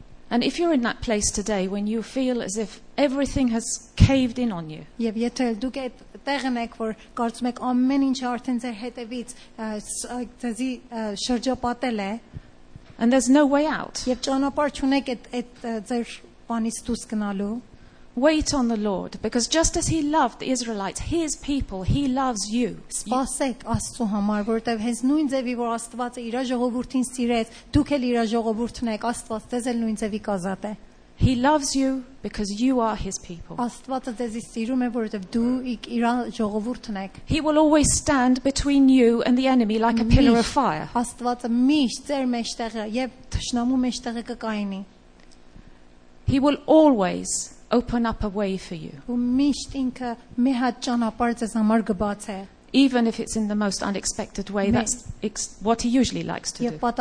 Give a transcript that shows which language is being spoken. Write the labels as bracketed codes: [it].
[en] And if you're in that place today when you feel as if everything has caved in on you, and there's no way out, wait on the Lord, because just as he loved the Israelites, his people, he loves you. [hy] Սպասեք Աստծո համար, որտեղ հենց նույն ձևի, որ Աստված իր ժողովրդին սիրեց, դուք էլ իր ժողովուրդն եք, Աստված ձեզ էլ նույն ձևի կազատ է. [en] He loves you because you are his people. [hy] Աստված ձեզ սիրում է, որտեղ դուք իր ժողովուրդն եք. [en] He will always stand between you and the enemy like a pillar of fire. [hy] Աստված միշտ ձեր մեջտեղը եւ ճշնամու մեջտեղը կկայնի. [en] He will always open up a way for you. Even if it's in the most unexpected way, that's what he usually likes to do.